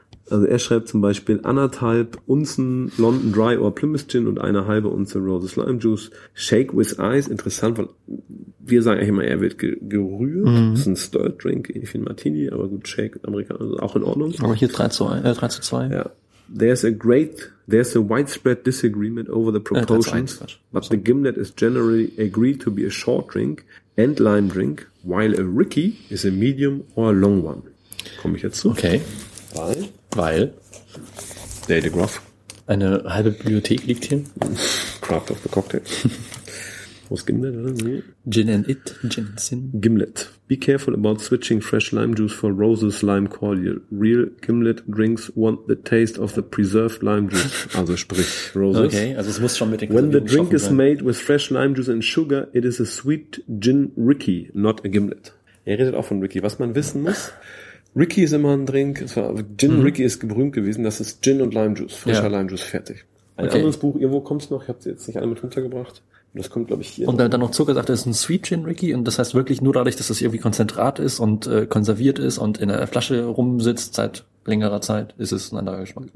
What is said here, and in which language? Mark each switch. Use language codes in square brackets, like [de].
[de] Also er schreibt zum Beispiel, 1,5 Unzen London Dry or Plymouth Gin und 1,5 Unze Roses Lime Juice. [en] Shake with Ice, [de] interessant, weil wir sagen eigentlich immer, er wird gerührt. Mhm. Das ist ein Stirred Drink, ähnlich wie ein Martini, aber gut, Shake, Amerikaner, also auch in Ordnung. Aber hier 3:2. Ja. [en] There's a widespread disagreement over the proportions, but the Gimlet is generally agreed to be a short drink and lime drink, while a Ricky is a medium or a long one. [de] Komme ich jetzt zu. Okay. Weil Dave Groff. Eine halbe Bibliothek liegt hier. Craft of the Cocktail. Wo ist Gimlet? [en] Gin and it. Gin sin. Gimlet. Be careful about switching fresh lime juice for Roses Lime Cordial. Real Gimlet drinks want the taste of the preserved lime juice. [de] Also sprich Roses. Okay, also es muss schon mit den [en] When the drink is made with fresh lime juice and sugar, it is a sweet gin Ricky, not a Gimlet. [de] Er redet auch von Ricky. Was man wissen muss... Ricky ist immer ein Drink, Gin Ricky ist berühmt gewesen, das ist Gin und Lime Juice, frischer Lime Juice, fertig. Ein anderes Buch, irgendwo kommt es noch, ich habe es jetzt nicht alle mit runtergebracht, das kommt glaube ich hier. Und noch. Dann noch Zucker sagt, das ist ein Sweet Gin Ricky und das heißt wirklich nur dadurch, dass es das irgendwie Konzentrat ist und konserviert ist und in einer Flasche rumsitzt seit längerer Zeit, ist es ein anderer Geschmack.